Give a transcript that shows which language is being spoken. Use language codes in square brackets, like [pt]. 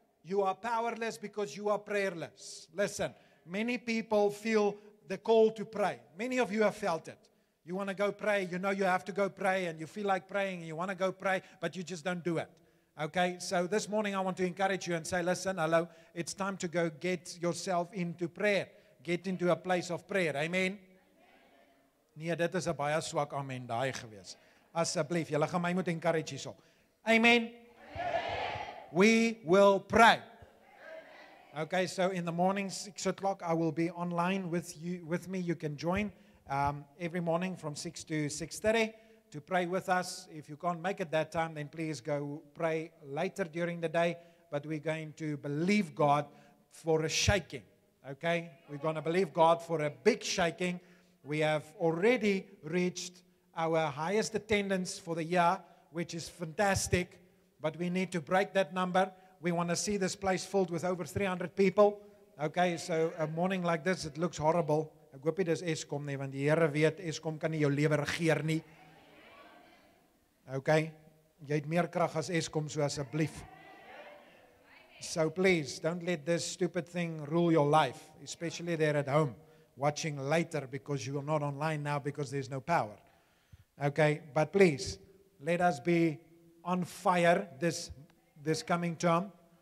[en] You are powerless because you are prayerless. Listen, many people feel the call to pray. Many of you have felt it. You want to go pray. You know you have to go pray and you feel like praying and you want to go pray, but you just don't do it. Okay, so this morning I want to encourage you and say, listen, hello, it's time to go get yourself into prayer. Get into a place of prayer. Amen. [af] Nee, dit is 'n baie swak amen daai gewees. Asseblief, julle gaan my moet encourage hierso. Amen. [en] We will pray. Okay, so in the morning, 6 o'clock, I will be online with you. With me, you can join every morning from 6 to 6:30 to pray with us. If you can't make it that time, then please go pray later during the day. But we're going to believe God for a shaking. Okay, we're going to believe God for a big shaking. We have already reached our highest attendance for the year, which is fantastic. But we need to break that number. We want to see this place filled with over 300 people. Okay, so a morning like this, it looks horrible. [af] Ek hoop jy dis Eskom nie, want die Here weet, Eskom kan nie jou lewe regeer nie. Okay, jy het meer krag as Eskom, so asseblief. [en] So please, don't let this stupid thing rule your life, especially there at home, watching later, because you are not online now, because there's no power. Okay, but please, let us be on fire this coming term.